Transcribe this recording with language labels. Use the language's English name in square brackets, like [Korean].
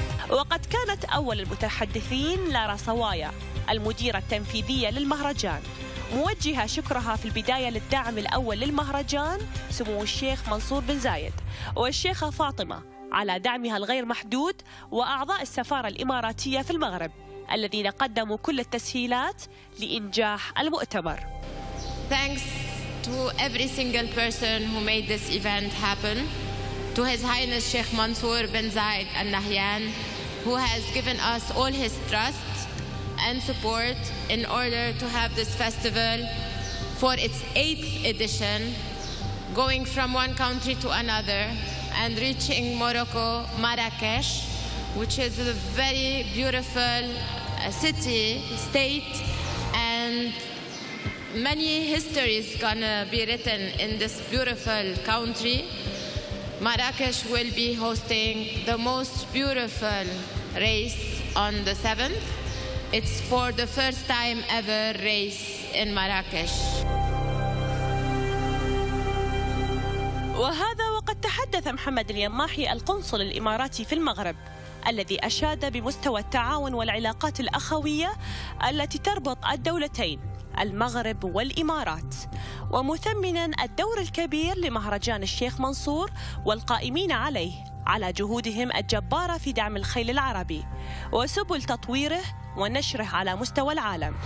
[Arabic] وقد كانت أول المتحدثين لارا صوايا المديرة التنفيذية للمهرجان، موجهة شكرها في البداية للدعم الأول للمهرجان سمو الشيخ منصور بن زايد والشيخة فاطمة على دعمها الغير محدود وأعضاء السفارة الإماراتية في المغرب الذين قدموا كل التسهيلات لإنجاح المؤتمر. [English] Thanks to every single person who made this event happen. To His Highness Sheikh Mansour bin Zayed Al Nahyan, who has given us all his trust and support in order to have this festival for its 8th edition, going from one country to another and reaching Morocco, Marrakech, which is a very beautiful city, state, and many histories gonna be written in this beautiful country. Marrakech will be hosting the most beautiful race on the 7th. It's for the first time ever race in Marrakech. [Arabic] وهذا وقد تحدث محمد اليماحي القنصل الإماراتي في المغرب الذي أشاد بمستوى التعاون والعلاقات الأخوية التي تربط الدولتين المغرب والإمارات، ومثمناً الدور الكبير لمهرجان الشيخ منصور والقائمين عليه على جهودهم الجبارة في دعم الخيل العربي وسبل تطويره ونشره على مستوى العالم.